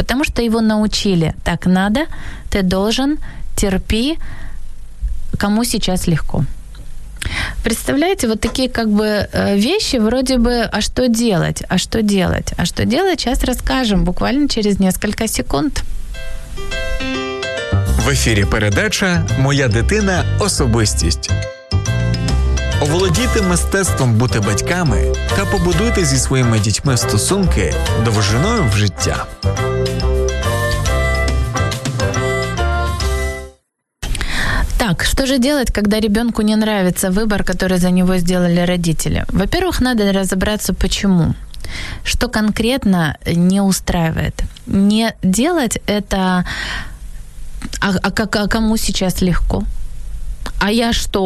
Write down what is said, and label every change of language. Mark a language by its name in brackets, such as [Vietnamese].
[Russian] Потому что его научили: так надо, ты должен, терпи, кому сейчас легко. Представляете, вот такие как бы вещи, вроде бы, а что делать, а что делать, а что делать, сейчас расскажем, буквально через несколько секунд. [Ukrainian] В эфире передача «Моя дитина. Особистість». Оволодіти мистецтвом бути батьками та побудуйте зі своїми дітьми стосунки довжиною в життя. [Russian] Так, что же делать, когда ребенку не нравится выбор, который за него сделали родители? Во-первых, надо разобраться, почему. Что конкретно не устраивает? Не делать это, а кому сейчас легко? А я что?